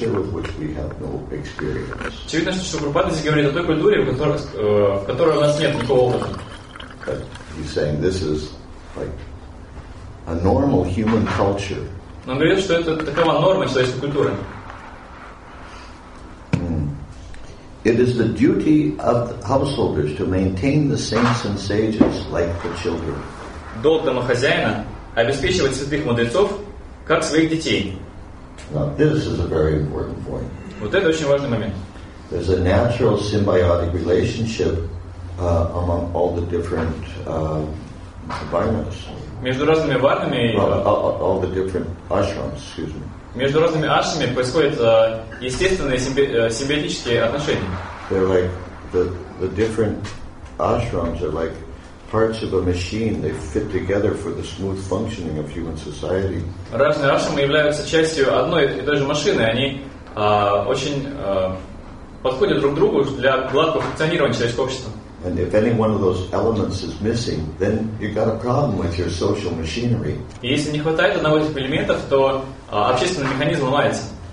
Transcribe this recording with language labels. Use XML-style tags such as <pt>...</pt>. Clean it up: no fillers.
<ru>Очевидно, что Прабхупада здесь говорит о той культуре, в которой у нас нет никакого опыта.</ru> <en>But he's saying this is like a normal human culture.</en> <ru>Но он говорит, что это такова норма человеческой культуры.</ru> <en>It is the duty of the householders to maintain the saints and sages like the children.</en> <ru>Долг домохозяина обеспечивать святых мудрецов как своих детей.</ru> <en>Now this is a very important point.</en> <ru>Вот это очень важный момент.</ru> <en>There's a natural symbiotic relationship among all the different varnas.</en> <ru>Между разными варнами.</ru> <en>All the different ashrams, excuse me.</en> <ru>Между разными ашрамами происходят естественные симбиотические отношения.</ru> <en>They're like the different ashrams are like parts of a machine. They fit together for the smooth functioning of human society.</en> <ru>Разные ашрамы являются частью одной и той же машины. Они очень подходят друг другу для гладкого функционирования человеческого общества.</ru> <en>And if any one of those elements is missing, then you've got a problem with your social machinery.</en> <ru>И если не хватает одного из элементов, то общественный механизм ломается.</ru>